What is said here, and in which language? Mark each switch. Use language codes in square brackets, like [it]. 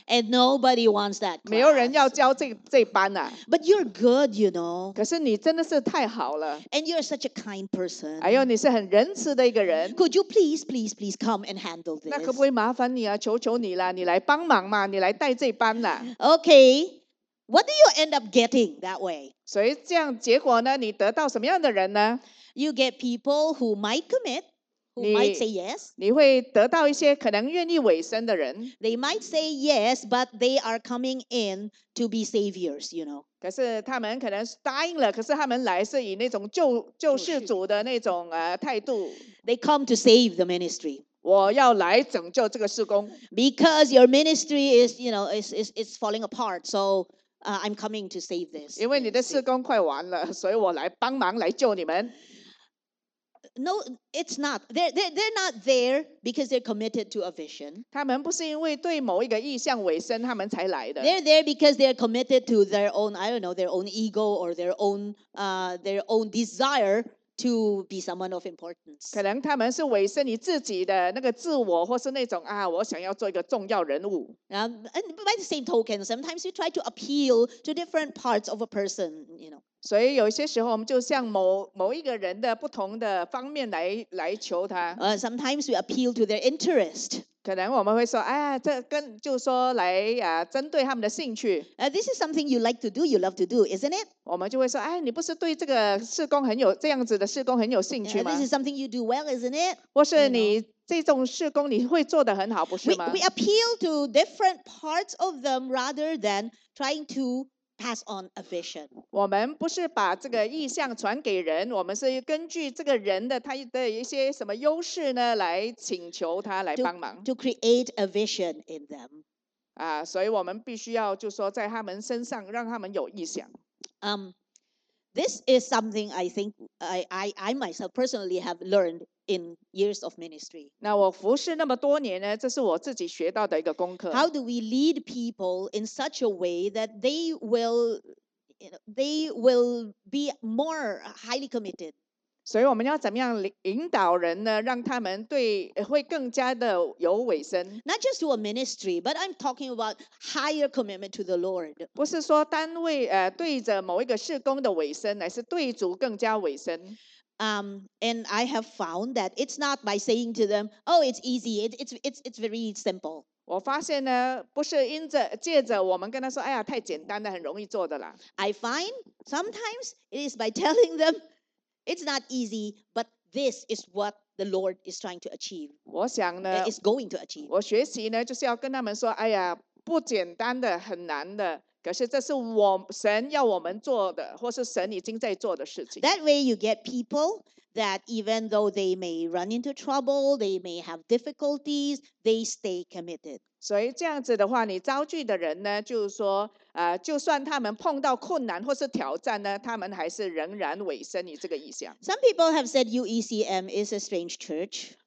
[en] And nobody wants that class. [zh] 没有人要教这班啊。 [en] But you're good, you know. [zh] 可是你真的是太好了。 [en] And you're such a kind person. [zh] 哎呦，你是很仁慈的一个人。 [en] Could you please, please, please come and handle this? [zh] 那可不可以麻烦你啊？求求你啦，你来帮忙嘛，你来带这班啦。 [en] Okay, what do you end up getting that way? [zh] 所以这样结果呢，你得到什么样的人呢？ [en] You get people who might commit, who might say yes. [zh] 你会得到一些可能愿意委身的人。 [en] They might say yes, but they are coming in to be saviors, you know. [zh] 可是他们可能答应了，可是他们来是以那种救世主的那种态度。 [en] They come to save the ministry. [zh] 我要来拯救这个事工。 [en] Because your ministry is, you know, is falling apart, so I'm coming to save this. [zh] 因为你的事工快完了，所以我来帮忙来救你们。 [en] No, it's not. They're not there because they're committed to a vision. [zh] 他们不是因为对某一个意向委身他们才来的。 [en] They're there because they're committed to their own, I don't know, their own ego or their own desire to be someone of importance. [zh] 可能他们是委身于自己的那个自我或是那种啊，我想要做一个重要人物。 [en] And by the same token, sometimes you try to appeal to different parts of a person, you know. [zh] 所以有些时候我们就向 某一个人的不同的方面 来求他。 [en] Sometimes we appeal to their interest. [zh] 可能我们会说哎呀这跟就说来针对他们的兴趣。 [en] This is something you like to do, you love to do, isn't it? [zh] 我们就会说哎你不是对这个事工很有这样子的事工很有兴趣吗 [en] this is something you do well, isn't it? [zh] 或是你这种事工你会做得很好不是吗 [en] we appeal to different parts of them rather than trying toPass on a vision. [zh] 我们不是把这个意向传给人，我们是根据这个人的他的一些什么优势呢，来请求他来帮忙。 [en] To create a vision in them. [zh] 啊，所以我们必须要就说在他们身上让他们有意向。 [en] This is something I think I myself personally have learned in years of ministry. [zh] 那我服侍那么多年呢，这是我自己学到的一个功课。 [en] How do we lead people in such a way that they will, they will be more highly committed? [zh] 所以我们要怎么样引导人呢，让他们对会更加的有委身。 [en] Not just to a ministry, but I'm talking about higher commitment to the Lord. [zh] 不是说单位对着某一个事工的委身，乃是对主更加委身。 [en] And I have found that it's not by saying to them, "Oh, it's easy. It's very simple." [zh] 我发现呢，不是因着借着我们跟他说，哎呀，太简单了，很容易做的啦。 [en] I find sometimes it is by telling them, "It's not easy, but this is what the Lord is trying to achieve." [zh] 我想呢 [en] is going to achieve. [zh] 我学习呢，就是要跟他们说，哎呀，不简单的，很难的。可是这是我神要我们做的，或是神已经在做的事情。 [en] That way you get people that even though they may run into trouble, they may have difficulties, they stay committed. [zh] 所以这样子的话，你招聚的人呢，就是说，就算他们碰到困难或是挑战呢，他们还是仍然委身于这个意向。 [en] Some people have said UECM is a strange church.